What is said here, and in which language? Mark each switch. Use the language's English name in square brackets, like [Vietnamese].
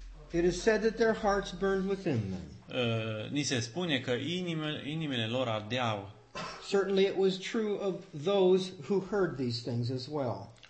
[English] It is said that their hearts burned within them. [Romanian] Ni se spune că inimile lor ardeau. [English] Certainly it was true of those who heard these things as well.